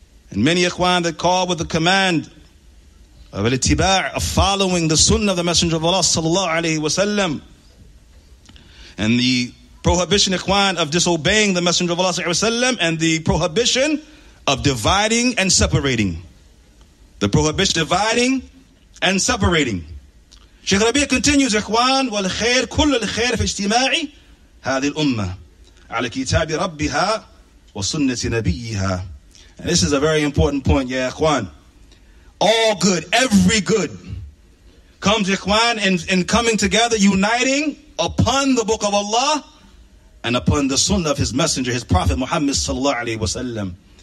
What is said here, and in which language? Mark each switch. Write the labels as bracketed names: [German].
[English] And many, إخوان, that call with the command of al-itiba' of following the sunnah of the Messenger of Allah sallallahu alayhi wa sallam, and the prohibition, إخوان, of disobeying the Messenger of Allah sallallahu alayhi wa sallam, and the prohibition of dividing and separating. The prohibition of dividing and separating. Sheikh Rabi continues, [Arabic] إخوان, وَالْخَيْرْ كُلُّ الْخَيْرْ فِي اجْتِمَاعِ هَذِي الْأُمَّةِ عَلَى كِتَابِ رَبِّهَا وَسُنَّةِ نَبِيِّهَا. [English] And this is a very important point, yeah, إخوان. All good, every good comes, إخوان, in coming together, uniting upon the Book of Allah and upon the Sunnah of His Messenger, His Prophet Muhammad sallallahu alayhi wa sallam.